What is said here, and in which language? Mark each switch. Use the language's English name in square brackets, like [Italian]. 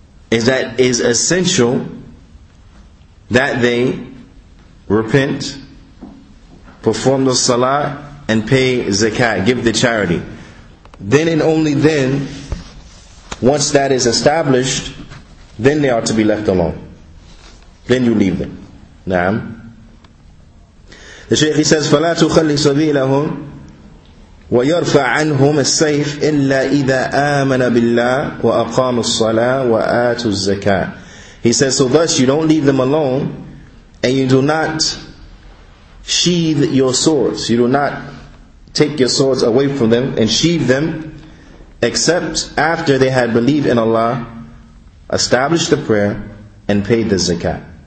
[English] Is that is essential that they repent, perform the salah, and pay zakat, give the charity. Then and only then, once that is established, then they are to be left alone. Then you leave them. Naam. The shaykh, he says, [Arabic] فَلَا تُخَلِّ سَبِيلَهُمْ وَيَرْفَعْ عَنْهُمَ السَّيْفِ إِلَّا إِذَا آمَنَ بِاللَّهِ وَأَقَامُ الصَّلَاةِ وَآتُ الزَّكَاةِ. [English] He says, so thus you don't leave them alone, and you do not sheath your swords. You do not take your swords away from them and sheath them, except after they had believed in Allah, established the prayer, and paid the zakat.